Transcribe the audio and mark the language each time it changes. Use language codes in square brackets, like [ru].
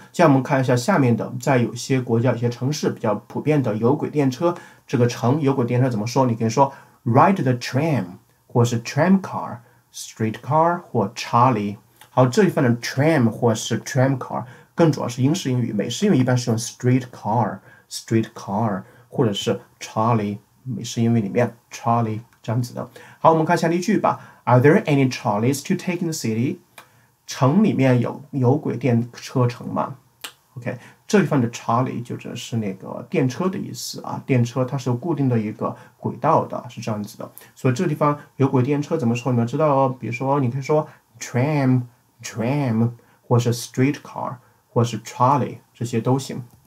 [zh] 接下来我们看一下下面的，在有些国家、有些城市比较普遍的有轨电车，这个乘有轨电车怎么说？你可以说 [en] ride the tram， [zh] 或是 tram car、streetcar 或 trolley。好，这一份的 tram 或是 tram car，更主要是英式英语，美式英语一般是用 streetcar 或者是 trolley。美式英语里面 trolley 这样子的。好，我们看下例句吧。 [en] Are there any trolleys to take in the city？ [zh] 城里面有轨电车城吗？OK，这一份的 trolley 就指的是那个电车的意思啊，电车它是有固定的一个轨道的，是这样子的。所以这个地方有轨电车怎么说？你们知道哦。比如说，你可以说 tram，或是 streetcar，或是 trolley，这些都行。